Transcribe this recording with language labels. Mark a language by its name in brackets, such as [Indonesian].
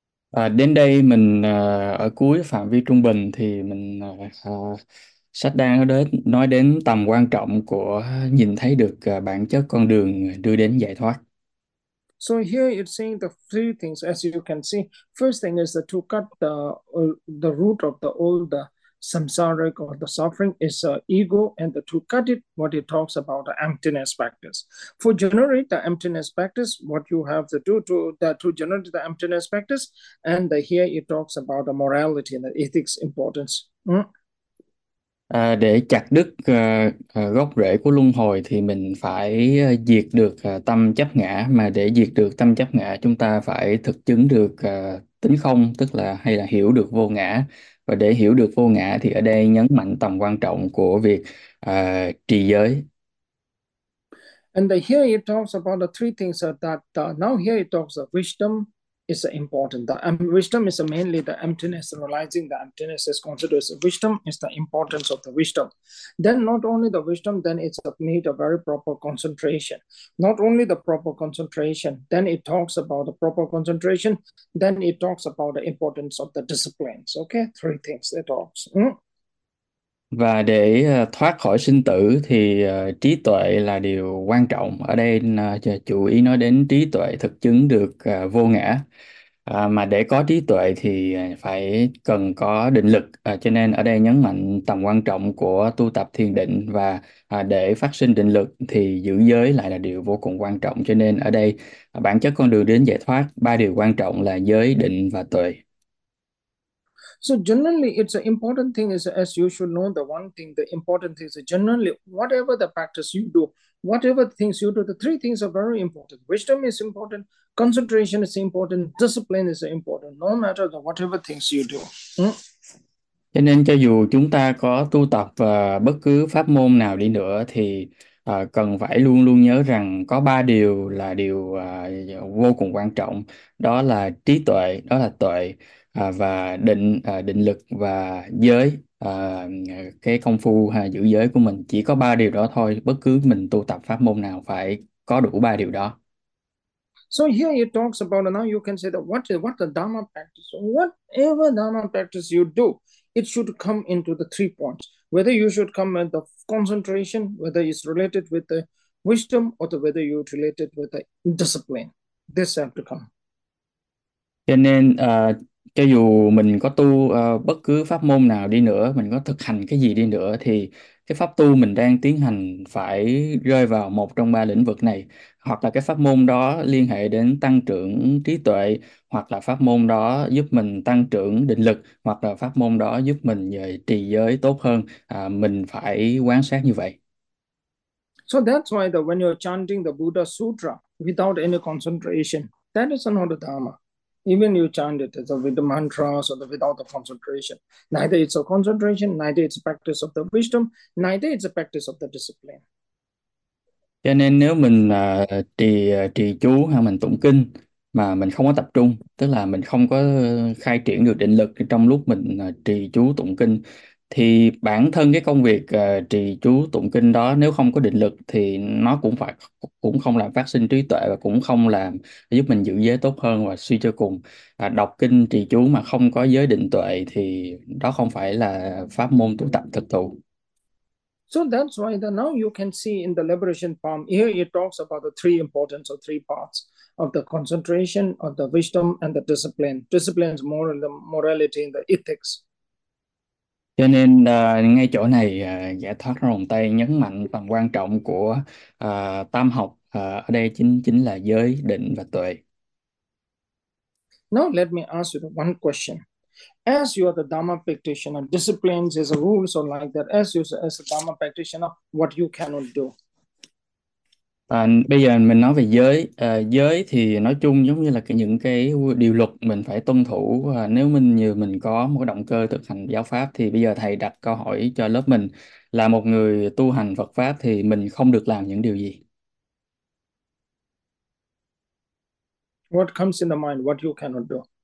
[Vietnamese] À, đến đây mình ở cuối phạm vi trung bình thì mình sách đang nói đến tầm quan trọng của nhìn thấy được bản chất con đường đưa đến giải thoát. [English] So here it's saying the three things, as you can see. First thing is that to cut the root of the old the samsaric or the suffering is ego, and the, to cut it, what it talks about emptiness practice. For generate the emptiness practice, what you have to do to generate the emptiness practice, and here it talks about the morality and the ethics importance. [Vietnamese] À, để chặt đứt gốc rễ của luân hồi thì mình phải diệt được tâm chấp ngã, mà để diệt được tâm chấp ngã chúng ta phải thực chứng được tính không, tức là hay là hiểu được vô ngã. Và để hiểu được vô ngã thì ở đây nhấn mạnh tầm quan trọng của việc trì giới. [English] And here it talks about the three things that now here it talks of wisdom is important. Wisdom is mainly the emptiness, realizing the emptiness is considered as wisdom is the importance of the wisdom. Then not only the wisdom, then it's need a very proper concentration. Not only the proper concentration, then it talks about the proper concentration, then it talks about the importance of the disciplines. Okay, three things it talks. [Vietnamese] Và để thoát khỏi sinh tử thì trí tuệ là điều quan trọng. Ở đây chủ ý nói đến trí tuệ thực chứng được vô ngã. Mà để có trí tuệ thì phải cần có định lực. Cho nên ở đây nhấn mạnh tầm quan trọng của tu tập thiền định. Và để phát sinh định lực thì giữ giới lại là điều vô cùng quan trọng. Cho nên ở đây bản chất con đường đến giải thoát, ba điều quan trọng là giới, định và tuệ. [English] So generally, it's an important thing is as you should know the one thing, the important thing is generally whatever the practice you do, whatever things you do, the three things are very important. Wisdom is important, concentration is important, discipline is important, no matter the whatever things you do. [Vietnamese] Cho nên cho dù chúng ta có tu tập bất cứ pháp môn nào đi nữa thì cần phải luôn luôn nhớ rằng có ba điều là điều vô cùng quan trọng. Đó là trí tuệ, đó là tuệ, và định, định lực và giới, cái công phu giữ giới của mình. Chỉ có ba điều đó thôi, bất cứ mình tu tập pháp môn nào phải có đủ ba điều đó. [English] So here it talks about now you can say that what the Dharma practice, whatever Dharma practice you do, it should come into the three points. Whether you should come at the concentration, whether it's related with the wisdom, or whether you're related with the discipline. This have to come. [Vietnamese] Cho nên cho dù mình có tu bất cứ pháp môn nào đi nữa, mình có thực hành cái gì đi nữa thì cái pháp tu mình đang tiến hành phải rơi vào một trong ba lĩnh vực này, hoặc là cái pháp môn đó liên hệ đến tăng trưởng trí tuệ, hoặc là pháp môn đó giúp mình tăng trưởng định lực, hoặc là pháp môn đó giúp mình trì giới tốt hơn. Mình phải quan sát như vậy. [English] So that's why when you're chanting the Buddha Sutra without any concentration, that is not a Dharma. Even you chant it as a, with the mantras or the, without the concentration. Neither it's a concentration, neither it's a practice of the wisdom, neither it's a practice of the discipline. [Vietnamese] Cho nên nếu mình trì chú hay mình tụng kinh mà mình không có tập trung, tức là mình không có khai triển được định lực trong lúc mình trì chú tụng kinh, thì bản thân cái công việc trì chú tụng kinh đó nếu không có định lực thì nó cũng không làm phát sinh trí tuệ, và cũng không làm giúp mình giữ giới tốt hơn. Và suy cho cùng, đọc kinh trì chú mà không có giới định tuệ thì đó không phải là pháp môn tu tập thực thụ. [English] So that's why the, now you can see in the liberation palm, here it talks about the three importance or three parts of the concentration, of the wisdom, and the discipline. Discipline's moral, the morality and the ethics. [Vietnamese] Cho nên ngay chỗ này giải thoát ra vòng tay nhấn mạnh tầm quan trọng của tam học, ở đây chính là giới, định và tuệ. [English] Now let me ask you one question. As you are the Dharma practitioner, disciplines is a rules or like that. As a Dharma practitioner, what you cannot do. [Vietnamese] Bây giờ mình nói về giới. Giới thì nói chung giống như là những cái điều luật mình phải tuân thủ. Nếu mình có một động cơ thực hành giáo pháp, thì bây giờ thầy đặt câu hỏi cho lớp mình là một người tu hành Phật pháp thì mình không được làm những điều gì? [English] What comes in the mind, what you cannot do?